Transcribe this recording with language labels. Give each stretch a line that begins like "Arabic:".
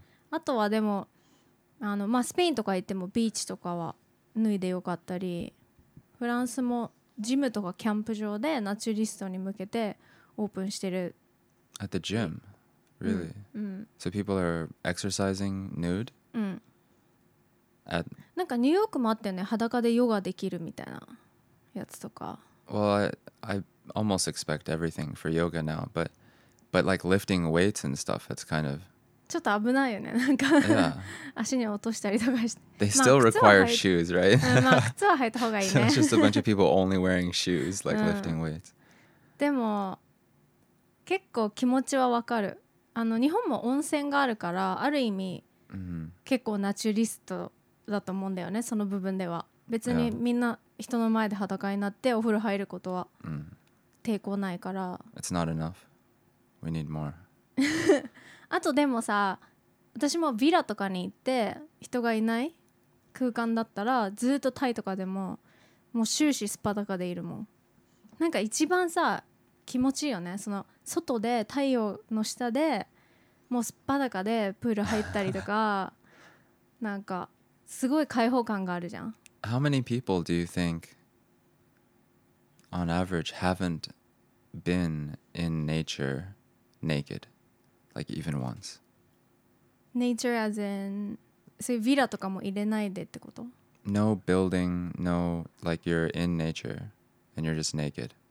Japanese: あとはでも、あの、まあ、スペインとか行ってもビーチとかは脱いでよかったり、フランスもジムとかキャンプ場でナチュリストに向けてオープンしてる。
English: At the gym, really? So people are exercising nude?
Japanese: なんかニューヨークもあったよね、裸でヨガできるみたいなやつとか。
English: Well, I almost expect everything for yoga now, but like lifting weights and stuff, it's kind of...
Japanese: ちょっと危ないよね、なんか足に落としたりとかして。
English: They still require shoes, right?
Japanese: まあ靴は履いた方がいいね。
English: So it's just a bunch of people only wearing shoes, like lifting weights.
Japanese: でも結構気持ちはわかる。あの日本も温泉があるから、ある意味、結構ナチュリストだと思うんだよね、その部分では。別にみんな人の前で裸になってお風呂入ることは抵抗ないから。
English: It's not enough. We need more.
Japanese: あとでもさ、私もヴィラとかに行って人がいない空間だったら、ずっとタイとかでももう終始スパ高でいるもん。なんか一番さ気持ちいいよね、その外で太陽の下でもうすっぱだかでプール入ったりとか。なんかすごい開放感があるじゃん。
English: How many people do you think on average haven't been in nature naked? Like even once? Nature as in
Japanese: そういうヴィラとかも入れないでってこと？
English: No building, no, like you're in nature and you're just naked.